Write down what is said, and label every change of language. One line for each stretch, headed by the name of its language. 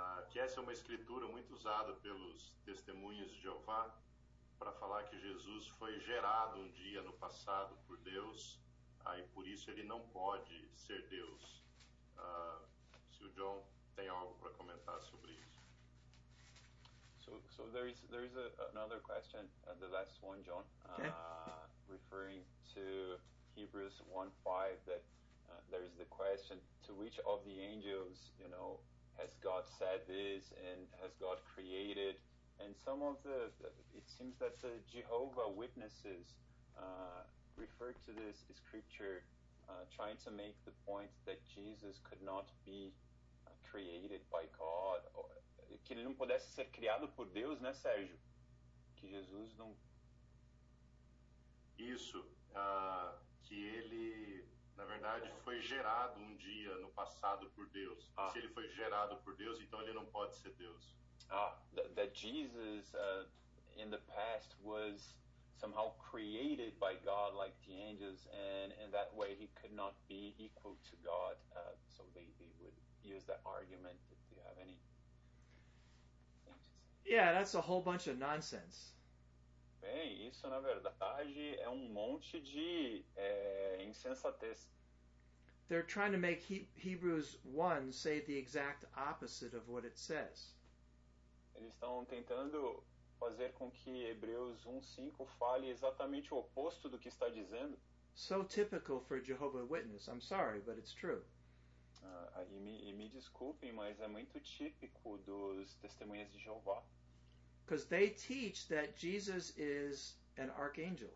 Portuguese: Que essa é uma escritura muito usada pelos testemunhos de Jeová, para falar que Jesus foi gerado um dia no passado por Deus, aí por isso ele não pode ser Deus. Se o John tem algo para comentar sobre isso.
English: So there is another question, the last one, John, okay. Referring to Hebrews 1:5, that there is the question, to which of the angels, you know, has God said this and has God created? And some of the, it seems that the Jehovah Witnesses refer to this scripture, trying to make the point that Jesus could not be created by God, or
Portuguese: que ele não pudesse ser criado por Deus, né, Sérgio? Que Jesus não... Isso, que ele, na verdade, foi gerado um dia no passado por Deus. Ah. Se ele foi gerado por Deus, então ele não pode ser Deus.
English: Ah, that Jesus, in the past, was somehow created by God, like the angels, and in that way he could not be equal to God. So they would use that argument. Do you have any... Yeah, that's a whole bunch of nonsense.
Portuguese: Bem, isso na verdade é um monte de insensatez.
English: They're trying to make Hebrews 1 say the exact opposite of what it says.
Portuguese: Eles estão tentando fazer com que Hebreus 1:5 fale exatamente o oposto do que está dizendo.
English: So typical for Jehovah's Witness. I'm sorry, but it's true.
Portuguese: E me desculpem, mas é muito típico dos testemunhas de Jeová.
English: Because they teach that Jesus is an archangel.